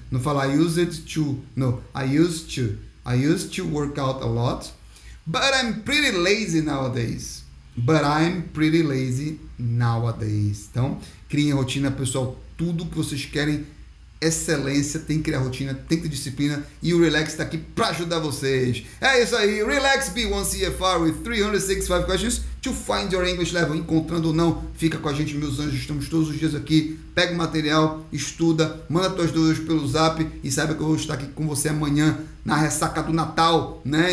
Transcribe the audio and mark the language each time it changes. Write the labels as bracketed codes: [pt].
[pt] Não fala [en] I used to. No, I used to. I used to work out a lot. But I'm pretty lazy nowadays. But I'm pretty lazy nowadays. [pt] Então, criem rotina, pessoal. Tudo que vocês querem, excelência, tem que criar rotina, tem que ter disciplina. E o Relax está aqui para ajudar vocês. É isso aí. [en] Relax B1 CFR with 365 questions to find your English level. [pt] Encontrando ou não, fica com a gente, meus anjos. Estamos todos os dias aqui. Pega o material, estuda, manda tuas dúvidas pelo zap. E saiba que eu vou estar aqui com você amanhã na ressaca do Natal, né?